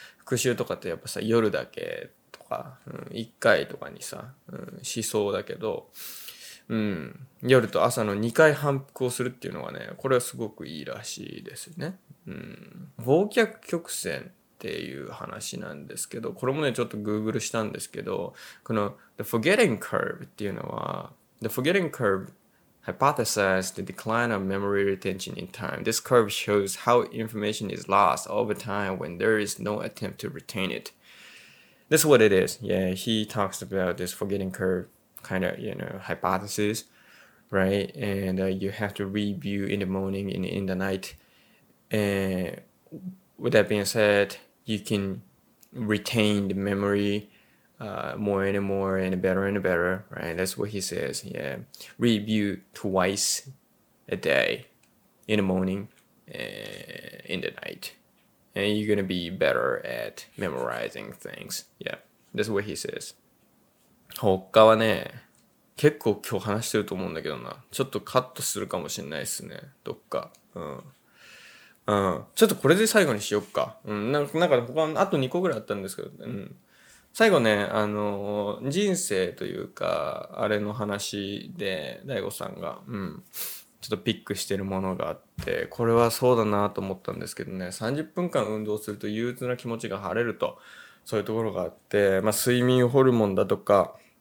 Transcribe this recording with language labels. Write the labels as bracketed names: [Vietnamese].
[Japanese] 復習とかってやっぱさ、夜だけとか、うん、1回とかにさ、うん、しそうだけど、うん、夜と朝の2回反復をするっていうのはね、これはすごくいいらしいですね。うん。忘却曲線っていう話なんですけど、これもね、ちょっと Google したんですけど、この [English] The Forgetting Curve っていうのは、The Forgetting Curve hypothesized the decline of memory retention in time. This curve shows how information is lost over time when there is no attempt to retain it. This is what it is. Yeah, he talks about this forgetting curve kind of, you know, hypothesis, right? And you have to review in the morning and in the night. And with that being said, you can retain the memory more and more and better and better, right? That's what he says, yeah. Review twice a day, in the morning and in the night. And you're gonna be better at memorizing things. Yeah, that's what he says. [Japanese] 他はね、結構今日話してると思うんだけどな。ちょっとカットするかもしれないですね、どっか。うん、ちょっとこれで最後にしよっか。うん、なんか他のあと2個ぐらいあったんですけど、うん、最後ね、人生というか、あれの話で、DAIGO さんが、うん、ちょっとピックしてるものがあって、これはそうだなと思ったんですけどね、30分間運動すると憂鬱な気持ちが晴れると、そういうところがあって、まあ、睡眠ホルモンだとか、